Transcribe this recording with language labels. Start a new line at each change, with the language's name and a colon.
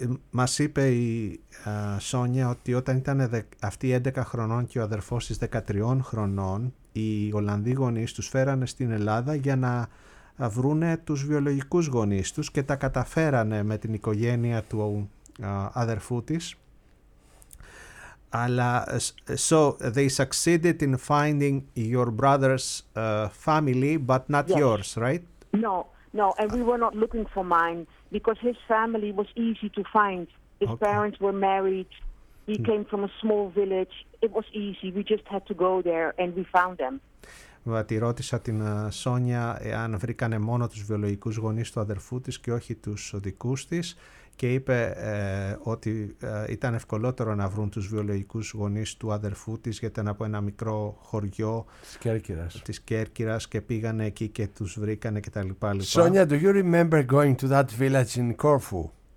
Greek: Μας είπε η Σόνια ότι όταν ήταν αυτή 11 χρονών και ο αδερφός της 13 χρονών, οι Ολλανδοί γονείς τους φέρανε στην Ελλάδα για να βρούνε τους βιολογικούς γονείς τους και τα καταφέρανε με την οικογένεια του αδερφού της.
English: Αλλά, so they succeeded in finding your brother's family, but not yes. yours, right? No, and we were not looking for mine. Because his family was easy to find. His okay. parents were married. He came from a small village. It was easy. We just had to go there and we found them.
Greek: Τη ρώτησα την Σόνια αν βρήκανε μόνο τους βιολογικούς γονείς του αδερφού της και όχι τους δικούς της και είπε ότι ήταν ευκολότερο να βρουν τους βιολογικούς γονείς του αδερφού της γιατί ήταν από ένα μικρό χωριό της Κέρκυρας και πήγανε εκεί και τους βρήκανε και τα λοιπά.
English: Σόνια, do you remember going to that village in Corfu?